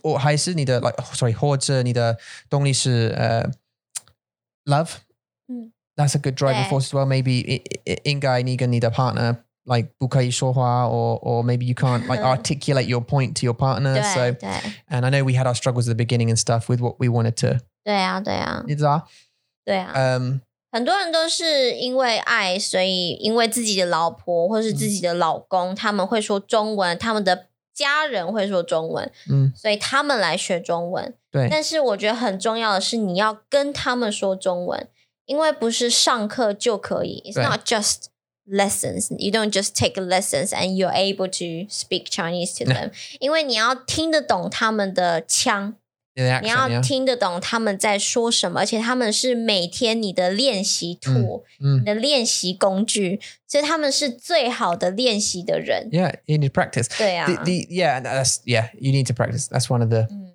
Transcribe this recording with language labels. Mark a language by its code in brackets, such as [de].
[zh] Or 还是你的, [en] like, oh, sorry, [zh] 或者你的动力是 love. [en] That's a good driving force as well. Maybe [zh] 应该你跟你的 [en] partner, like [zh] 不可以说话, [en] or maybe you can't like articulate your point to your partner. [zh] 对, [en] so, [zh] 对. [en] And I know we had our struggles at the beginning and stuff with what we wanted to. [zh] 对啊，对啊，你知道？对啊，很多人都是因为爱，所以因为自己的老婆或是自己的老公，他们会说中文，他们的家人会说中文，所以他们来学中文。对，但是我觉得很重要的是你要跟他们说中文，因为不是上课就可以。 [en] It's not just lessons. You don't just take lessons and you're able to speak Chinese to them. [zh] 因为你要听得懂他们的腔。 [en] Accent, [zh] 你要听得懂他们在说什么，而且他们是每天你的练习 tool, 你的练习工具，所以他们是最好的练习的人。 [en] Yeah, you need to practice. [zh] 对啊。 [en] You need to practice. That's one of the...、